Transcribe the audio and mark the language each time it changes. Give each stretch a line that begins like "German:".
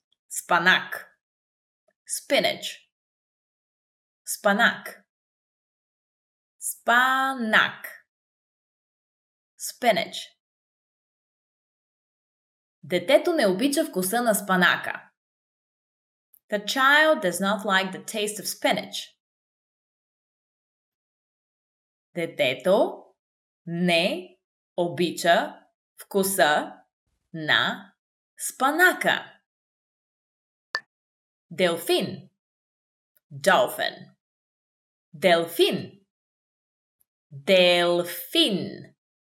Bulgarian: Спанак.
English: Spinach.
Bulgarian: Спанак. Спанак. Spinach. Детето не обича вкуса на спанака.
English: The child does not like the taste of spinach.
Bulgarian: Детето не обича вкуса на спанака. Делфин. Dolphin. Делфин. Делфин.